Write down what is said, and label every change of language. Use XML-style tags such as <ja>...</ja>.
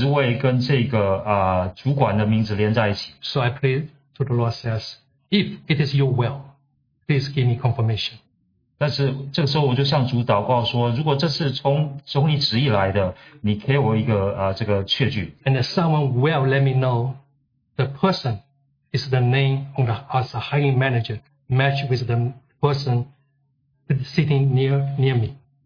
<zh>我在这个工作机会的这个信息上面，我不能把这个工作的职位跟这个主管的名字连在一起。</zh> <en>So I pray to the Lord, says, if it is your will, please give me confirmation.</en> <zh>但是这个时候我就向主祷告说，如果这是从你旨意来的，你给我一个这个确据。</zh> <en>And if someone will let me know the person is the name on the as a hiring manager match with the person sitting near me.</en>